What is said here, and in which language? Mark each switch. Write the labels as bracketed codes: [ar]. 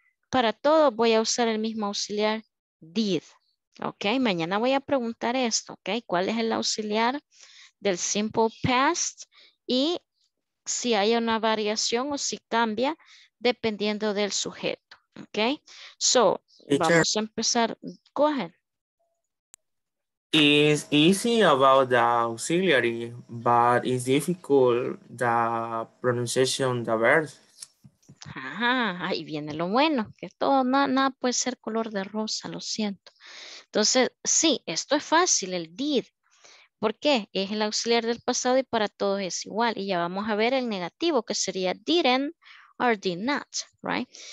[es] Para todo voy a usar el mismo auxiliar did. Ok, mañana voy a preguntar esto, ok, ¿cuál es el auxiliar del simple past y si hay una variación o si cambia dependiendo del sujeto? [en] Ok, so teacher, [es] vamos a empezar. [en] Go ahead. It's easy about the auxiliary, but it's difficult the pronunciation of the verb. [es] Ajá, ahí viene lo bueno, que todo, nada puede ser color de rosa, lo siento. Entonces, sí, esto es fácil, el did. ¿Por qué? Es el auxiliar del pasado y para todos es igual. Y ya vamos a ver el negativo, que sería didn't [en] or did not, right?